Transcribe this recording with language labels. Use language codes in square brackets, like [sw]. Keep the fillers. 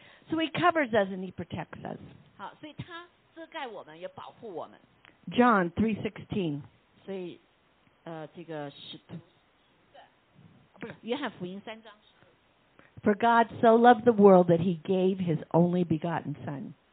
[en] So he covers us and he protects us. [zh] 好，所以他遮盖我们，也保护我们。 [en] John three sixteen。 [zh] 所以，呃，这个是，对，不是约翰福音三章。 [en] For God so loved the world that he gave his only begotten Son.